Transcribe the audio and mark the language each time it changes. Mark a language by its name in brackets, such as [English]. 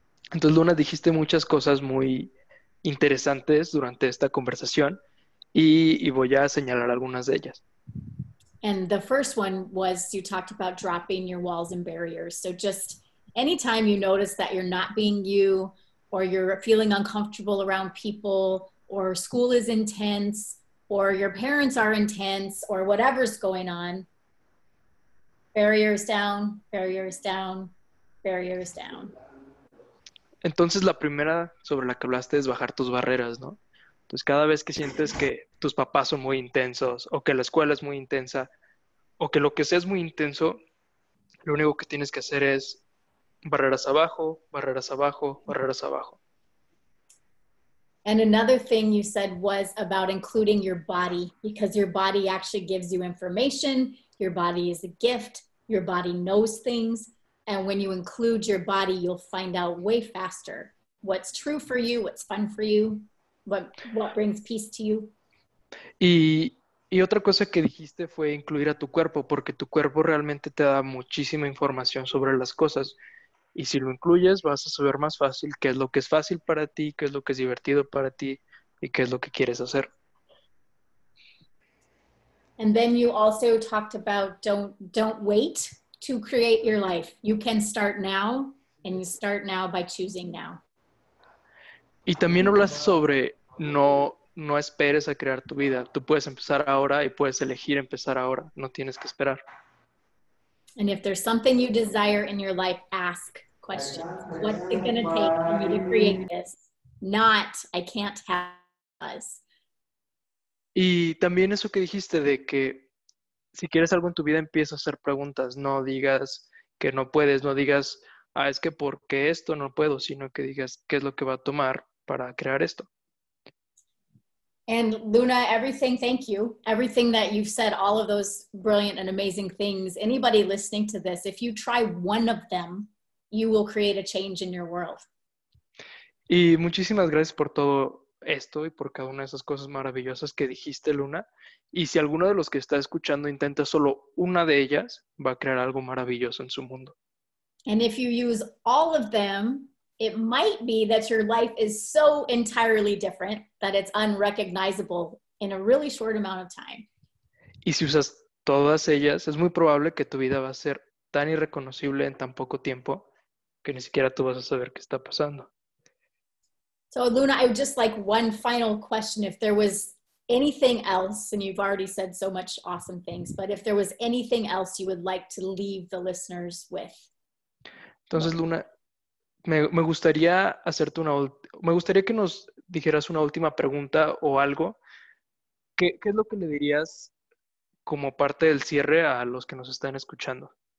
[Spanish] Entonces, Luna, dijiste muchas cosas muy interesantes durante esta conversación y voy a señalar algunas de ellas. [English] And the first one was you talked about dropping your walls and barriers. So just anytime you notice that you're not being you, or you're feeling uncomfortable around people, or school is intense, or your parents are intense, or whatever's going on, barriers down, barriers down, barriers down. [Spanish] Entonces la primera sobre la que hablaste es bajar tus barreras, ¿no? Entonces cada vez que sientes que tus papás son muy intensos o que la escuela es muy intensa o que lo que sea es muy intenso, lo único que tienes que hacer es barreras abajo, barreras abajo, barreras abajo. [English] And another thing you said was about including your body, because your body actually gives you information. Your body is a gift. Your body knows things. And when you include your body, you'll find out way faster what's true for you, what's fun for you, what brings peace to you. [Spanish] Y otra cosa que dijiste fue incluir a tu cuerpo, porque tu cuerpo realmente te da muchísima información sobre las cosas. Y si lo incluyes, vas a saber más fácil qué es lo que es fácil para ti, qué es lo que es divertido para ti y qué es lo que quieres hacer. [English] And then you also talked about don't wait to create your life. You can start now, and you start now by choosing now. [Spanish] Y también hablas sobre no. No esperes a crear tu vida. Tú puedes empezar ahora y puedes elegir empezar ahora. No tienes que esperar. [English] And if there's something you desire in your life, ask questions. What's it going to take for me to create this? Not, I can't have this. [Spanish] Y también eso que dijiste de que si quieres algo en tu vida, empieza a hacer preguntas. No digas que no puedes, no digas, ah, es que porque esto no puedo, sino que digas qué es lo que va a tomar para crear esto. [English] And Luna, everything, thank you. Everything that you've said, all of those brilliant and amazing things. Anybody listening to this, if you try one of them, you will create a change in your world. [Spanish] Y muchísimas gracias por todo esto y por cada una de esas cosas maravillosas que dijiste, Luna. Y si alguno de los que está escuchando intenta solo una de ellas, va a crear algo maravilloso en su mundo. [English] And if you use all of them, it might be that your life is so entirely different that it's unrecognizable in a really short amount of time. [Spanish] Y si usas todas ellas, es muy probable que tu vida va a ser tan irreconocible en tan poco tiempo que ni siquiera tú vas a saber qué está pasando. [English] So, Luna, I would just like one final question. If there was anything else, and you've already said so much awesome things, but if there was anything else you would like to leave the listeners with. [Spanish] Entonces, Luna, me gustaría hacerte una, me gustaría que nos dijeras una última pregunta o algo. ¿Qué es lo que le dirías como parte del cierre a los que nos están escuchando?